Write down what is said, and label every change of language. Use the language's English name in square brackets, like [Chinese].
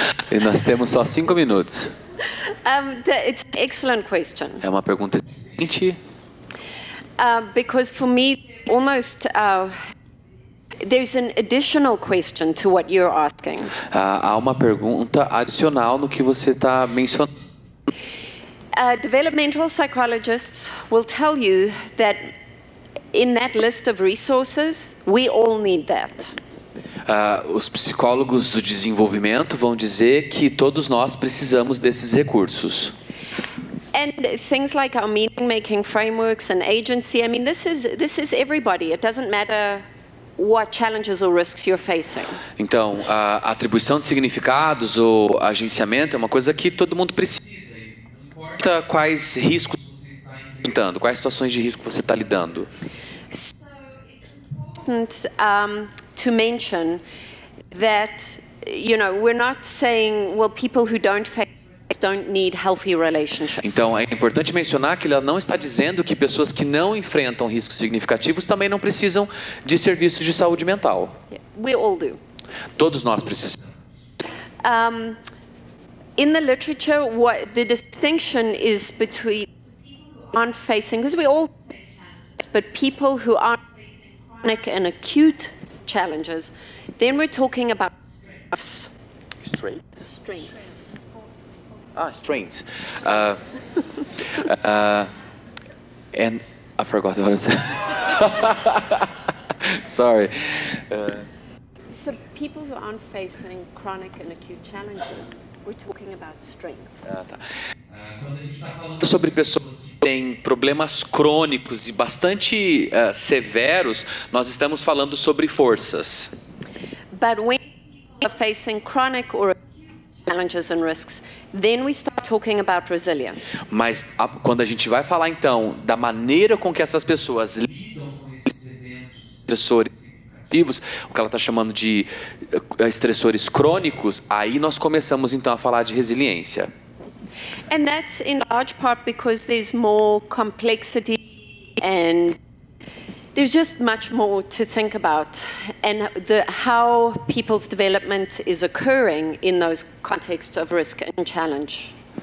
[Portuguese] E nós temos só 5 minutos. [English] It's an excellent question. [Portuguese] É uma pergunta excelente. [English] Because for me, almost, there's an additional question to what you're asking. [Portuguese] Há uma pergunta adicional no que você está mencionando. [English] Developmental psychologists will tell you that in that list of resources, we all need that. [Portuguese] Os psicólogos do desenvolvimento vão dizer que todos nós precisamos desses recursos. [English] And things like our meaning-making frameworks and agency, I mean, this is everybody. It doesn't matter what challenges or risks you're facing. [Portuguese] Então, a atribuição de significados ou agenciamento é uma coisa que todo mundo precisa. Não importa quais riscos quais situações de risco você está lidando. [English] To mention that, you know, we're not saying, well, people who don't face don't need healthy relationships. [Portuguese] Então é importante mencionar que ela não está dizendo que pessoas que não enfrentam riscos significativos também não precisam de serviços de saúde mental. [English] We all do. [Portuguese] Todos nós precisamos. [English] In the literature, what the distinction is between aren't facing, because we all face, but people who aren't facing chronic and acute challenges, then we're talking about strengths. Strengths. And I forgot what I said. Sorry. So people who aren't facing chronic and acute challenges, we're talking about strengths. [Portuguese] Sobre pessoas tem problemas crônicos e bastante severos, nós estamos falando sobre forças. [English] But when people are facing chronic or acute challenges and risks, then we start talking about resilience. [Portuguese] Mas quando a gente vai falar então da maneira com que essas pessoas lidam com esses eventos, esses estressores, o que ela está chamando de estressores crônicos, aí nós começamos então a falar de resiliência. [English] And that's in large part because there's more complexity and there's just much more to think about and how people's development is occurring in those contexts of risk and challenge.